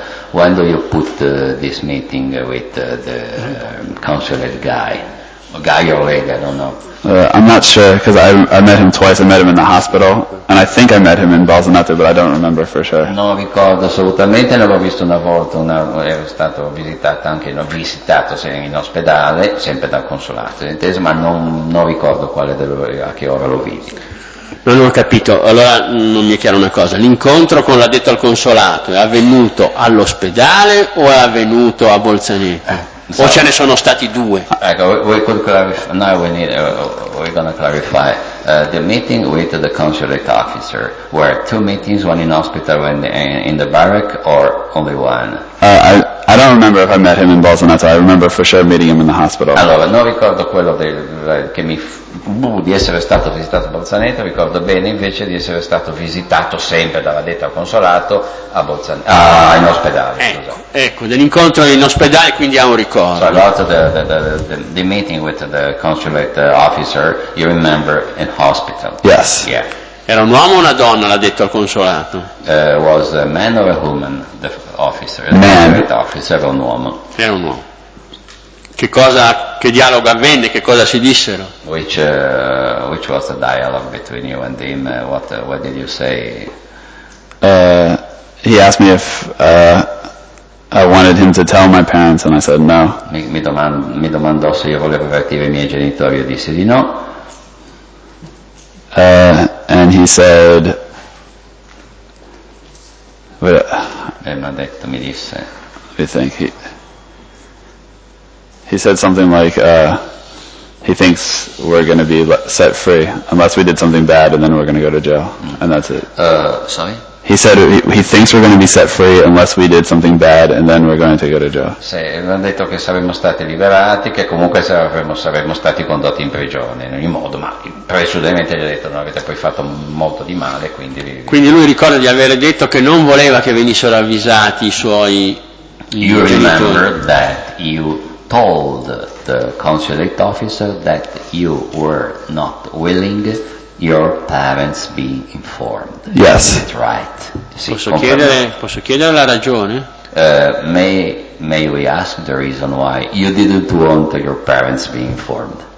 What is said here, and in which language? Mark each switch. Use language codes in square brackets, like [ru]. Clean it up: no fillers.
[en] when do you put this meeting with the consulate guy or lady, I don't know. I'm not sure, because I met him twice. I met him in the hospital, and I think I met him in Bolzaneto, but I don't remember for sure. [it] Non ricordo assolutamente, ne l'ho visto una volta, ero stato visitato anche, l'ho visitato in ospedale, sempre dal consolato, inteso, ma non ricordo a che ora lo vidi. Non ho capito, allora non mi è chiaro una cosa, l'incontro con l'addetto al consolato è avvenuto all'ospedale o è avvenuto a Bolzaneto? O ce ne sono stati due? [en] Ecco, we're going to clarify, the meeting with the consulate officer, were two meetings, one in hospital and in the barrack, or only one? I don't remember if I met him in Bolzaneto. I remember for sure meeting him in the hospital. [it] Allora, non ricordo quello di essere stato visitato a Bolzaneto, ricordo bene invece di essere stato visitato sempre dalla detta al consolato a Bolzaneto, in ospedale. Ecco, dell'incontro in ospedale quindi ha un ricordo. [en] So about the meeting with the consulate officer, you remember in hospital. Yes. Yeah. [it] Era un uomo o una donna, l'ha detto al consolato? [en] Was a man or a woman, the officer? Man. The officer, [it] era un uomo. Era un uomo. Che dialogo avvenne, che cosa si dissero? [en] Which was the dialogue between you and him? What did you say? He asked me if I wanted him to tell my parents, and I said no. [it] Mi domandò se io volevo avvertire i miei genitori, e disse di no. [en] And he said, [it] but, e mi ha detto, mi disse. [en] I think he said something like, he thinks we're going to be set free unless we did something bad, and then we're going to go to jail, and that's it. Sorry. He said he thinks we're going to be set free unless we did something bad, and then we're going to go to jail. [it] Sì, mi hanno detto che saremmo stati liberati, che comunque saremmo stati condotti in prigione in ogni modo, ma presumibilmente gli ha detto non avete poi fatto molto di male, quindi. Quindi lui ricorda di aver detto che non voleva che venissero avvisati i suoi. [en] You remember that you told the consulate officer that you were not willing your parents be informed. Yes. That's right. [it] Sì, posso chiedere la ragione? [en] May we ask the reason why you didn't want your parents be informed?